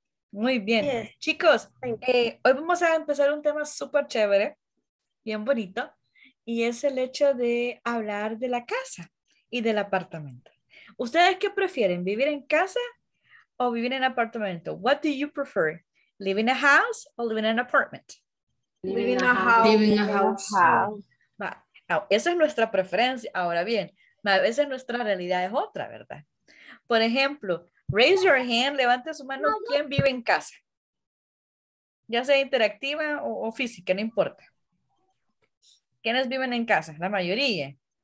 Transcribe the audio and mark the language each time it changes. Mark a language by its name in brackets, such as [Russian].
[Spanish] Muy bien. [English] Yes. [Spanish] Chicos, hoy vamos a empezar un tema súper chévere, bien bonito, y es el hecho de hablar de la casa y del apartamento. ¿Ustedes qué prefieren, vivir en casa o vivir en apartamento? [English] What do you prefer, live in a house or live in an apartment? Live in a house. Live in a house. [Spanish] Va. Now, esa es nuestra preferencia. Ahora bien, a veces nuestra realidad es otra, ¿verdad? Por ejemplo, [English] raise your hand, [Spanish] levante su mano, ¿quién vive en casa? Ya sea interactiva o física, no importa. ¿Quiénes viven en casa? La mayoría.